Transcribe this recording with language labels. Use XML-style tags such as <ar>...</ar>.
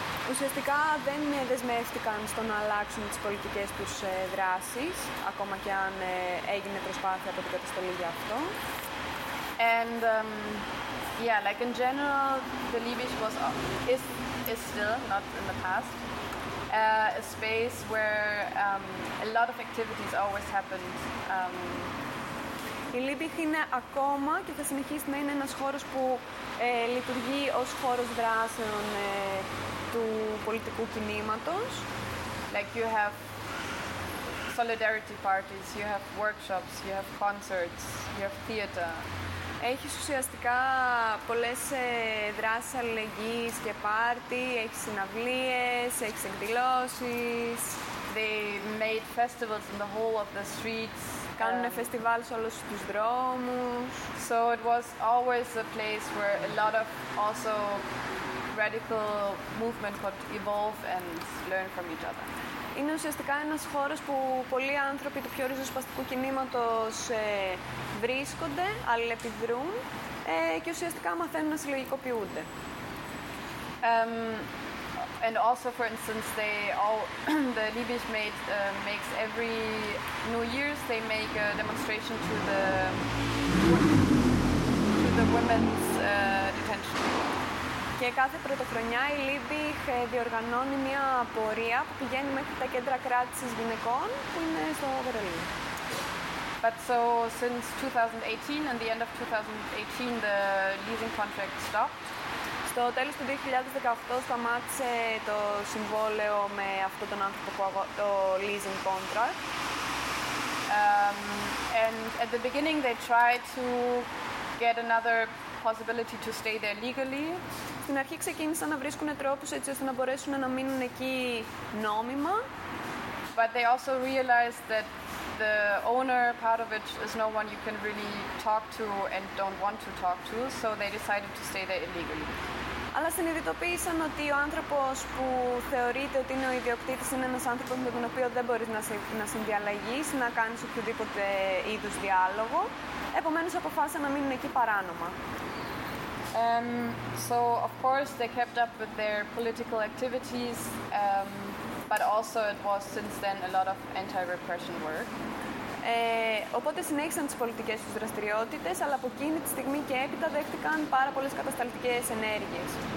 <el>Ουσιαστικά δεν δεσμεύτηκαν στο να αλλάξουν τις πολιτικές τους δράσεις, ακόμα και αν έγινε προσπάθεια από την καταστολή για αυτό.</el> <en>And yeah, like in general, the Liebig was is still not in the past a space where a lot of activities always happened.</en> <el>Η Λίμπιχ είναι ακόμα και θα συνεχίσει να είναι ένας χώρος που λειτουργεί ως χώρος δράσεων του πολιτικού κινήματος.</el> <en>Like you have solidarity parties, you have workshops, you have concerts, you have theater.</en> <el>Έχεις ουσιαστικά πολλές δράσεις αλληλεγγύης και πάρτι, έχεις συναυλίες, έχεις εκδηλώσεις.</el> <en>They made festivals in the whole of the streets.</en> <el>Κάνουν φεστιβάλ σε όλους τους δρόμους.</el> <en>So it was always a place where a lot of also radical movement could evolve and learn from each other.</en> <el>Είναι ουσιαστικά ένας χώρος που πολλοί άνθρωποι του πιο ριζοσπαστικού κινήματος βρίσκονται, αλληλεπιδρούν και ουσιαστικά μαθαίνουν να συλλογικοποιούνται.</el> <en>And also, for instance, they all the Liebig made makes every New Year's they make a demonstration to the women's detention.</en> <el>Και κάθε πρωτοχρονιά η Liebig διοργανώνει μια πορεία που πηγαίνει μέχρι τα κέντρα κράτησης γυναικών που είναι στο Βερολίνο.</el> <en>But so since 2018 and the end of 2018 the leasing contract stopped.</en> <el>Στο τέλος του 2018 σταμάτησε το συμβόλαιο με αυτόν τον άνθρωπο που αγώ, το</el> <en>leasing contract. And at the beginning they tried to get another possibility to stay there legally.</en> <el>Στην αρχή ξεκίνησαν να βρίσκουν τρόπους έτσι ώστε να μπορέσουν να μείνουν εκεί νόμιμα.</el> <en>But they also realized that the owner part of it is no one you can really talk to and don't want to talk to, so they decided to stay there illegally.</en> <el>Αλλά συνειδητοποίησαν ότι ο άνθρωπος που θεωρείται ότι είναι ο ιδιοκτήτης είναι ένας άνθρωπος με τον οποίο δεν μπορείς να συνδιαλλαγείς, να κάνεις οποιοδήποτε είδους διάλογο. Επομένως αποφάσισαν να μείνουν εκεί παράνομα.</el> <en>So of course they kept up with their political activities, but also it was since then a lot of anti-repression work.</en> <el>Οπότε συνέχισαν τις πολιτικές τους δραστηριότητες, αλλά από εκείνη τη στιγμή και έπειτα δέχτηκαν πάρα πολλές κατασταλτικές ενέργειες.</el>